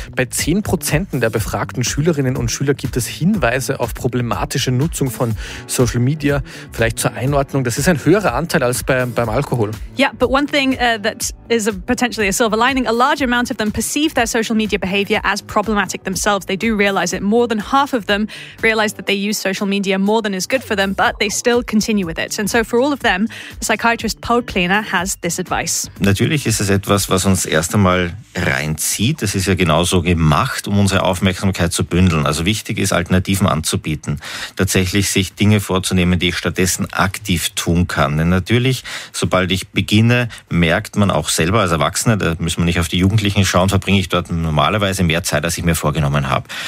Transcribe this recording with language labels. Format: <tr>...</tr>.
<de>Bei 10% der befragten Schülerinnen und Schüler gibt es Hinweise auf problematische Nutzung von Social Media. Vielleicht zur Einordnung, das ist ein höherer Anteil als beim Alkohol.</de> <en>Yeah, but one thing that is potentially a silver lining, a large amount of them perceive their social media behavior as problematic themselves. They do realize it. More than half of them realize that they use social media more than is good for them, but they still continue with it. And so for all of them, the psychiatrist Paul Plehner has this advice.</en> <de>Natürlich ist es etwas, was uns erst einmal reinzieht. Das ist ja genauso gemacht, um unsere Aufmerksamkeit zu bündeln. Also wichtig ist, Alternativen anzubieten. Tatsächlich sich Dinge vorzunehmen, die ich stattdessen aktiv tun kann. Denn natürlich, sobald ich beginne, merkt man auch selber als Erwachsener, da müssen wir nicht auf die Jugendlichen schauen, verbringe ich dort normalerweise mehr Zeit, als ich mir vorgenommen habe.</de>